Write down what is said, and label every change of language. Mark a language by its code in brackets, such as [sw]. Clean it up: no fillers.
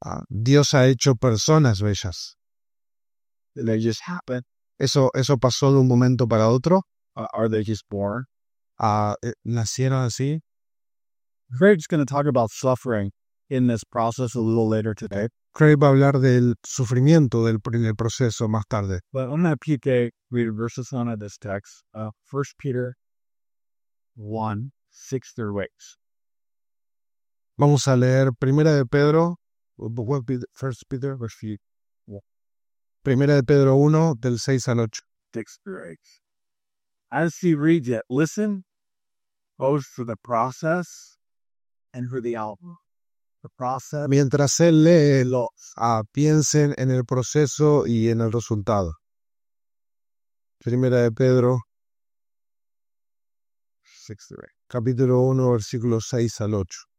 [es] Dios ha hecho personas bellas. [en] Did they just happen? [es] ¿Eso pasó de un momento para otro? [en] Are they just born? [es] ¿Nacieron así? [en] Craig's going to talk about suffering in this process a little later today. [es] Craig va a hablar del sufrimiento del proceso más tarde. [en] But on that PK, read verses on this text. 1 Peter 1, 6 through 8. [es] Vamos a leer Primera de Pedro. [en] First Peter, verse 8. [es] Primera de Pedro 1, del 6 al 8. [en] 6 through 8. As he reads it, listen both for the process and for the outcome. [es] Mientras él lee, piensen en el proceso y en el resultado. Primera de Pedro, 6-8. Capítulo 1, versículos 6 al 8.